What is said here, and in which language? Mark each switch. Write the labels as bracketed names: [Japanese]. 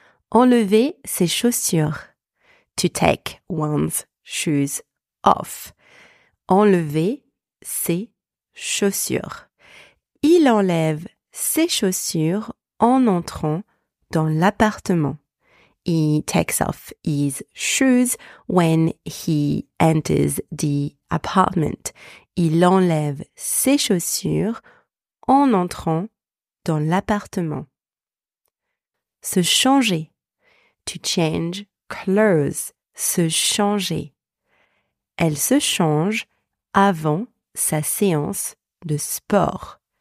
[French] Enlever ses chaussures. [English] To take one's shoes off. [French] Enlever ses chaussures. Il enlève ses chaussures en entrant dans l'appartement. [English] He takes off his shoes when he enters the apartment. [French] Il enlève ses chaussures en entrant dans l'appartement. Se changer. [English] To change clothes. [French] Se changer. Elle se change avant sa séance de sport.